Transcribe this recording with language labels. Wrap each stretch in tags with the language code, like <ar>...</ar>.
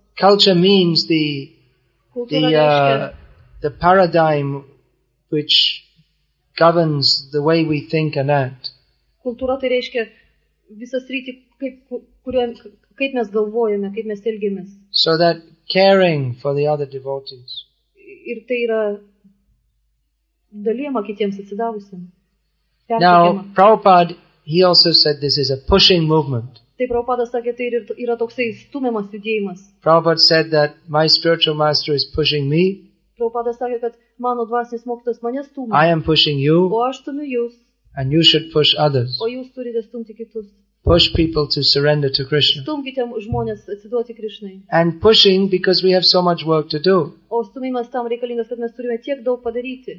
<en>Culture means the paradigm which governs the way we think and act.</en> <lt>Kultūra tai reiškia visą sritį, kaip mes galvojame, kaip mes elgiamės.</lt> <en>So that caring for the other devotees.</en> <lt>Ir tai yra dalyjama kitiems atsidavusiems.</lt> <en>Now, Prabhupada, he also said this is a pushing movement.</en> <lt>Tai Prabhupada sakė, tai yra toksai stumiamas judėjimas.</lt> <en>Prabhupada said that my spiritual master is pushing me.</en> <lt>Prabhupada sakė, kad mano dvasinis mokytas mane stumia.</lt> <en>I am pushing you.</en> <lt>O aš stumiu jūs.</lt> <en>And you should push others.</en> <lt>O jūs turite stumti kitus.</lt> <en>Push people to surrender to Krishna.</en> <lt>Stumkite žmonės atsiduoti Krishnai.</lt> <en>And pushing because we have so much work to do.</en> <lt>O stumimas tam reikalingas, kad mes turime tiek daug padaryti.</lt>